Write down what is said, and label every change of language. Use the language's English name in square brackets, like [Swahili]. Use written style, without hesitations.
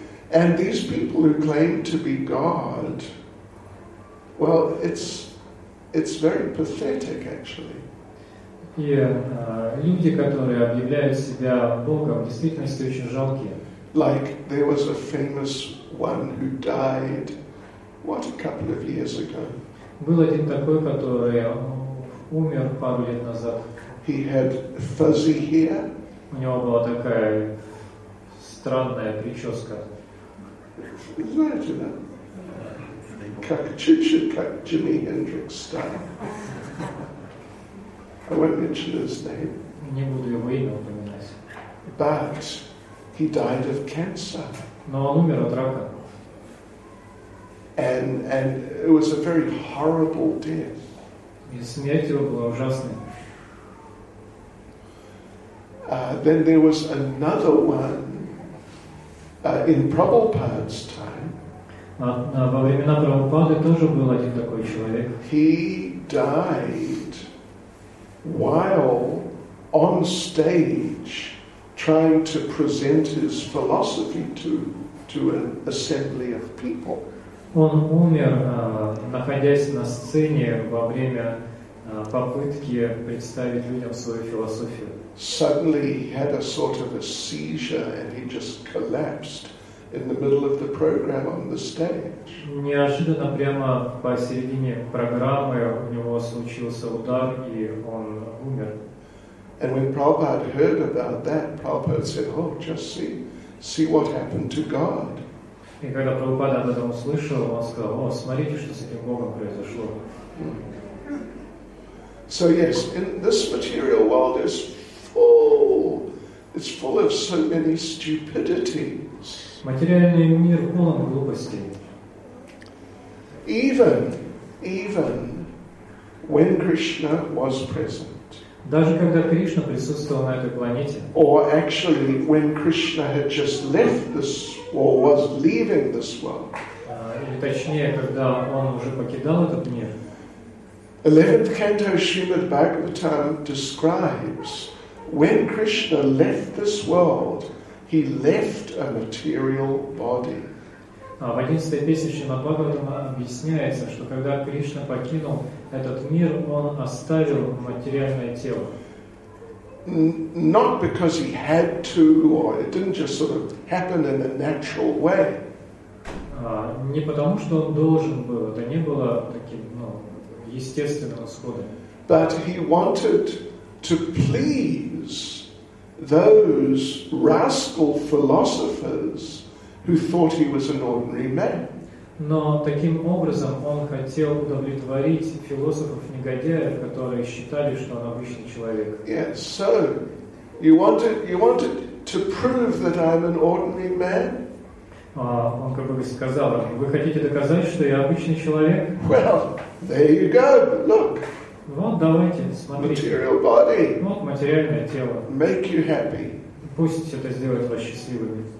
[English] And these people who claim to be God, well, it's It's very pathetic, actually. [Russian] И люди, которые объявляют себя Богом, в действительности очень жалкие. [English] Like there was a famous one who died, what, a couple of years ago. [Russian] Был один такой, который умер пару лет назад. [English] He had fuzzy hair. [Russian] У него была такая странная прическа. Знаете, да? Как чуть-чуть, как Джимми Хендрикс стал. [English] I won't mention his name. [Russian] Не буду его имя упоминать. [English] But he died of cancer. [Russian] Но он умер от рака. [English] And it was a very horrible death. [Russian] И смерть его была ужасной. [English] Then there was another one in Prabhupada's time. [Russian] Во времена Прабхупады тоже был один такой человек. [English] He died while on stage trying to present his philosophy to an assembly of people. [Russian] Он умер, находясь на сцене во время попытки представить людям свою философию. [English] Suddenly he had a sort of a seizure and he just collapsed in the middle of the program on the stage. [Russian] Неожиданно прямо посередине программы у него случился удар и он умер. [English] And when Prabhupada heard about that, Prabhupada said, "Oh, just see what happened to God." [Russian] И когда Прабхупада об этом услышал, он сказал: "О, смотрите, что с этим Богом произошло." [English] So yes, in this material world is full. It's full of so many stupidities. [Russian] Материальный мир полон глупостей. [English] Even when Krishna was present. [Russian] Даже когда Кришна присутствовал на этой планете. [English] Or actually, when Krishna had just left this, or was leaving this world. [Russian] Или точнее, когда он уже покидал этот мир. [English] 11th canto Srimad Bhagavatam describes when Krishna left this world, he left a material body. [Russian] В 11-й песне Шримад Бхагаватам объясняется, что когда Кришна покинул этот мир, он оставил материальное тело. [English] Not because he had to, or it didn't just sort of happen in a natural way. [Russian] Не потому, что он должен был, это не было таким, ну, естественного схода. [English] But he wanted to please those rascal philosophers who thought he was an ordinary man. [Russian] Но таким образом он хотел удовлетворить философов-негодяев, которые считали, что он обычный человек. [English] Yes, so you wanted to prove that I'm an ordinary man? [Russian] Он как бы сказал: вы хотите доказать, что я обычный человек? [English] Well, there you go. Look. [Russian] Вот, давайте, смотрите. [English] Material body. [Russian] Вот, материальное тело. [English] Make you happy. [Russian] Пусть это сделает вас счастливыми.